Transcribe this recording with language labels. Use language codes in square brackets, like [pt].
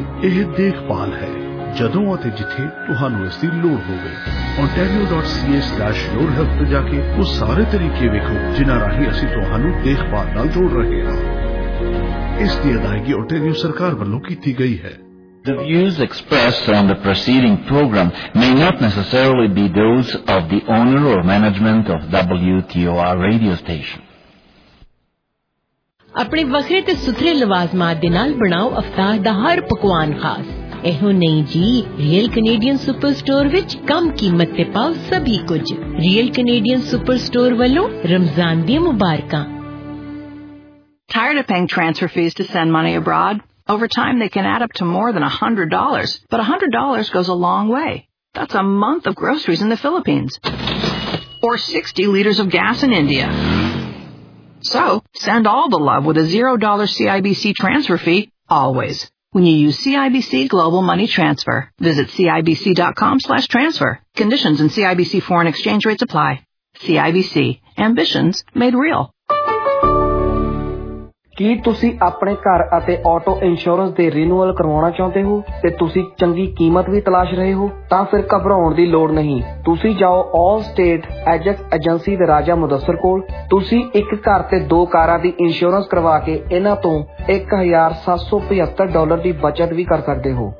[pa] ਇਹ ਦੇਖਭਾਲ ਹੈ ਜਦੋਂ ਅਤੇ ਜਿੱਥੇ ਤੁਹਾਨੂੰ ਇਸ ਦੀ ਲੋੜ ਹੋਵੇ। ontario.ca/yourhealth ਤੇ ਜਾ ਕੇ ਉਹ ਸਾਰੇ ਤਰੀਕੇ ਵੇਖੋ ਜਿਨ੍ਹਾਂ ਰਾਹੀਂ ਅਸੀਂ ਤੁਹਾਨੂੰ ਦੇਖਭਾਲ ਨਾਲ ਜੋੜ ਰਹੇ ਹਾਂ। ਇਸ ਦੀ ਅਦਾਇਗੀ ਓਟੇਰੀਓ ਸਰਕਾਰ ਵੱਲੋਂ ਕੀਤੀ ਗਈ ਹੈ। [en] The views expressed on the preceding program may not necessarily be those of the owner or management of WTOR radio station. [pa] ਆਪਣੇ ਵੱਖਰੇ ਤੇ ਸੁਥਰੇ ਲਵਾਜ਼ਮਾਂ ਦੇ ਨਾਲ ਬਣਾਓ ਅਵਤਾਰ ਦਾ ਹਰ ਪਕਵਾਨ ਖਾਸ। ਇਹੋ ਨਹੀਂ ਜੀ, ਰੀਅਲ ਕੈਨੇਡੀਅਨ ਸੁਪਰ ਸਟੋਰ ਵਿੱਚ ਕਮ ਕੀਮਤ ਤੇ ਪਾਓ ਸਭੀ ਕੁਝ। ਰੀਅਲ ਕੈਨੇਡੀਅਨ ਸੁਪਰ ਸਟੋਰ ਵੱਲੋਂ ਰਮਜ਼ਾਨ ਦੀਆਂ ਮੁਬਾਰਕਾਂ। [en] Tired of paying transfer fees to send money abroad? Over time, they can add up to more than $100, but $100 goes a long way. That's a month of groceries in the Philippines, or 60 liters of gas in India. So, send all the love with a $0 CIBC transfer fee, always, when you use CIBC Global Money Transfer. Visit cibc.com/transfer. Conditions and CIBC foreign exchange rates apply. CIBC. Ambitions made real. [pa] ਕੀ ਤੁਸੀਂ ਆਪਣੇ ਘਰ ਅਤੇ auto insurance ਦੇ renewal ਕਰਵਾਉਣਾ ਚਾਹੁੰਦੇ ਹੋ ਤੇ ਤੁਸੀਂ ਚੰਗੀ ਕੀਮਤ ਵੀ ਤਲਾਸ਼ ਰਹੇ ਹੋ? ਤਾਂ ਫਿਰ ਘਬਰਾਉਣ ਦੀ ਲੋੜ ਨਹੀਂ। ਤੁਸੀਂ ਜਾਓ ਆਲ ਸਟੇਟ ਐਜੈਕਟ ਏਜੰਸੀ ਦੇ ਰਾਜਾ ਮੁਦੱਸਰ ਕੋਲ। ਤੁਸੀਂ ਇੱਕ ਘਰ ਤੇ ਦੋ ਕਾਰਾਂ ਦੀ ਇੰਸ਼ੋਰੈਂਸ ਕਰਵਾ ਕੇ ਇਹਨਾਂ ਤੋਂ $1,775 ਦੀ ਬਚਤ ਵੀ ਕਰ ਸਕਦੇ ਹੋ।